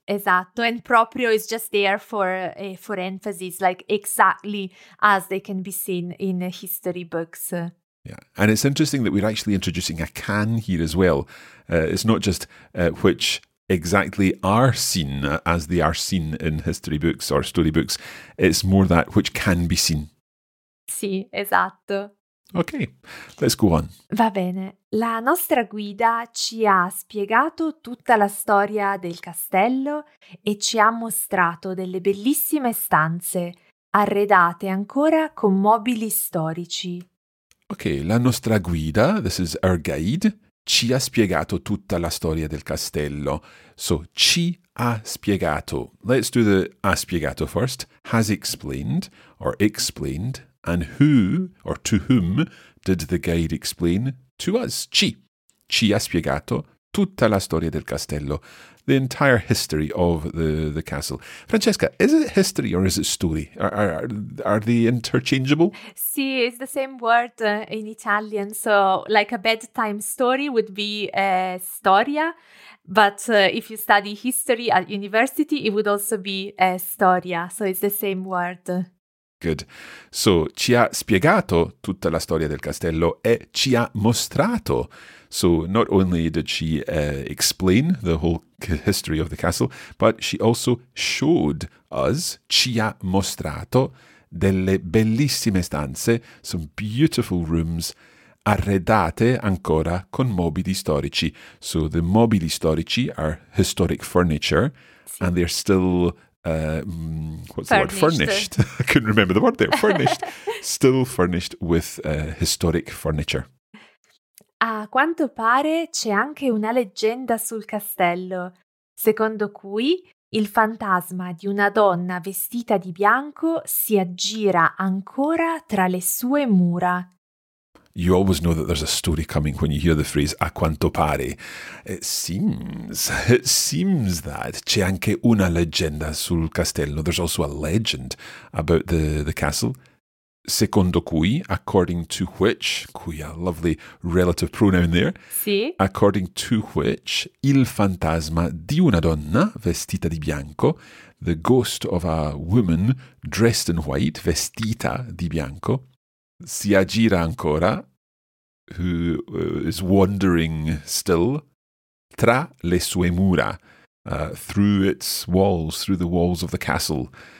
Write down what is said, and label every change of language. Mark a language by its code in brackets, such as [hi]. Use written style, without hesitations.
[it] Esatto, [en] and proprio is just there for emphasis, like exactly as they can be seen in history books. Yeah, and it's interesting that we're actually introducing a can here as well. It's not just which exactly are seen as they are seen in history books or story books. It's more that which can be seen. [it] Sì, esatto. [en] Ok, let's go on. [it] Va bene. La nostra guida ci ha spiegato tutta la storia del castello e ci ha mostrato delle bellissime stanze arredate ancora con mobili storici. Ok, la nostra guida, [en] this is our guide, [it] ci ha spiegato tutta la storia del castello. [en] So, [it] ci ha spiegato. [en] Let's do the ha spiegato first. Has explained or explained. And who or to whom did the guide explain? To us. Ci. [it] Ci ha spiegato tutta la storia del castello. [en] The entire history of the castle. Francesca, is it history or is it story? Are they interchangeable? Sì, it's the same word in Italian. So like a bedtime story would be storia. But if you study history at university, it would also be storia. So it's the same word. Good. [it] So ci ha spiegato tutta la storia del castello e ci ha mostrato. [en] So not only did she explain the whole history of the castle, but she also showed us, [it] ci ha mostrato, delle bellissime stanze, [en] some beautiful rooms, [it] arredate ancora con mobili storici. [en] So the mobili storici are historic furniture, sì. And they're still, furnished. I couldn't remember the word there, furnished, still furnished with historic furniture. [it] A quanto pare c'è anche una leggenda sul castello, secondo cui il fantasma di una donna vestita di bianco si aggira ancora tra le sue mura. [en] You always know that there's a story coming when you hear the phrase [it] a quanto pare. [en] It seems that [it] c'è anche una leggenda sul castello. [en] There's also a legend about the castle. [it] Secondo cui, [en] according to which, cui, a lovely relative pronoun there. Sì. According to which, [it] il fantasma di una donna vestita di bianco, [en] the ghost of a woman dressed in white, vestita di bianco, [it] si aggira ancora, [en] who is wandering still, [it] tra le sue mura, [en] through its walls, through the walls of the castle.